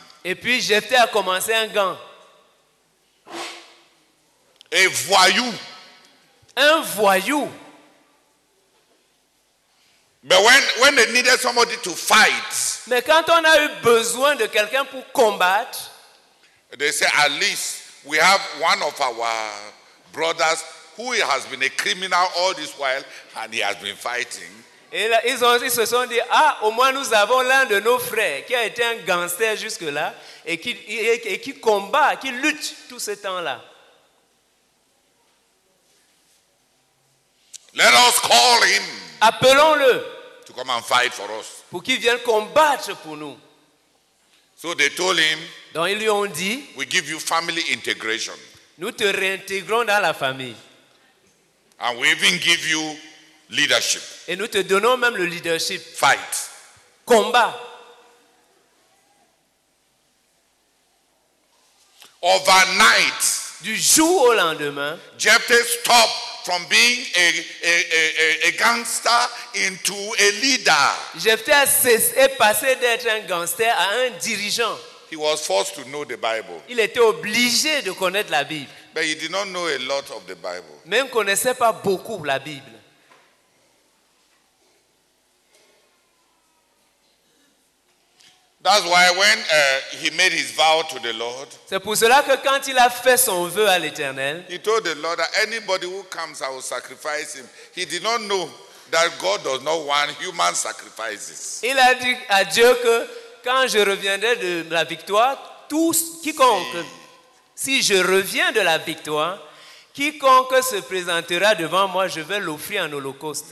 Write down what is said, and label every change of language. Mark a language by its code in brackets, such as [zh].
[fr] Et puis Jephthé a commencé un gang. A voyou. Un voyou. [en] But when they needed somebody to fight, [fr] mais quand on a eu besoin de quelqu'un pour combattre, [en] they say at least we have one of our brothers who has been a criminal all this while and he has been fighting. [fr] Et là, ils se sont dit, ah, au moins nous avons l'un de nos frères qui a été un gangster jusque là et qui combat, qui lutte tout ce temps là. [en] Let us call him. [fr] Appelons-le. [en] To come and fight for us. [fr] Pour qu'il vienne combattre pour nous. [en] So they told him, [fr] donc ils lui ont dit, [en] we give you family integration. [fr] Nous te réintégrons dans la famille. [en] And we even give you leadership. [fr] Et nous te donnons même le leadership. [en] Fight. [fr] Combat. [en] Overnight. [fr] Du jour au lendemain, [en] Jephthé stopped from being a gangster into a leader. [fr] Jephthé a cessé et passé d'être un gangster à un dirigeant. [en] He was forced to know the Bible. [fr] Il était obligé de connaître la Bible. [en] But he did not know a lot of the Bible. [fr] Mais il ne connaissait pas beaucoup la Bible. [en] That's why when he made his vow to the Lord, [fr] c'est pour cela que quand il a fait son vœu à l'Éternel, [en] he told the Lord that anybody who comes, I will sacrifice him. He did not know that God does not want human sacrifices. [fr] Il a dit à Dieu que quand je reviendrai de la victoire, tous quiconque, si je reviens de la victoire, quiconque se présentera devant moi, je vais l'offrir en holocauste.